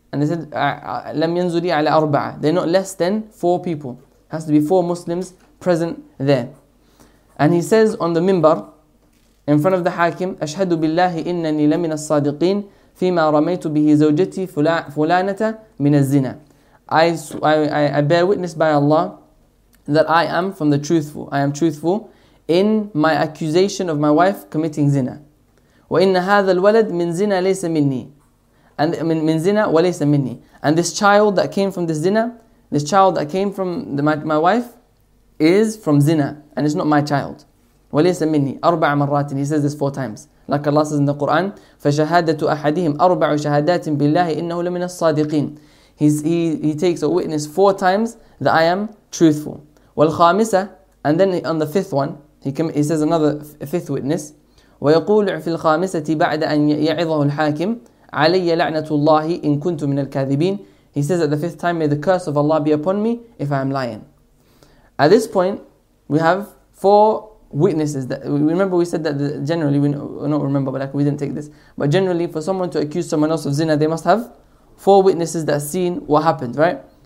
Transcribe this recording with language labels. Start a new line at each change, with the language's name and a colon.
English: And they said,
Arabic: لم ينزلي على أربعة.
English: They're not less than four people. Has to be four Muslims present there. And he says on the minbar, in front of the hakim,
Arabic: أشهد بالله إنني لمن الصادقين فيما رميت به زوجتي فلانة من الزنا.
English: I bear witness by Allah that I am from the truthful. I am truthful in my accusation of my wife committing zina.
Arabic: وَإِنَّ هَذَا الْوَلَدْ مِنْ زِنَا لَيْسَ مِنِّي. And مِنْ زِنَا وَلَيْسَ مِنِّي.
English: And this child that came from this zina, this child that came from my wife, is from zina, and it's not my child.
Arabic: وَلَيْسَ مِنِّي. أربع مرات.
English: He says this four times. Like Allah says in the Quran,
Arabic: فَشَهَادَةُ أَحَدِهِمْ أَرْبَعُ شَهَادَاتٍ بِاللَّهِ إِنَّهُ لَمِنَ الصَّادِقِينَ.
English: He takes a witness four times that I am truthful.
Arabic: والخامسة,
English: and then on the fifth one, he says another fifth witness.
Arabic: ويقول في الخامسة بعد أن يعظه الحاكم علي لعنة الله إن كنت من الكاذبين.
English: He says at the fifth time, may the curse of Allah be upon me if I am lying. At this point, we have four witnesses. Remember, we said that generally, we don't remember, but like we didn't take this. But generally, for someone to accuse someone else of zina, they must have four witnesses that seen what happened, right?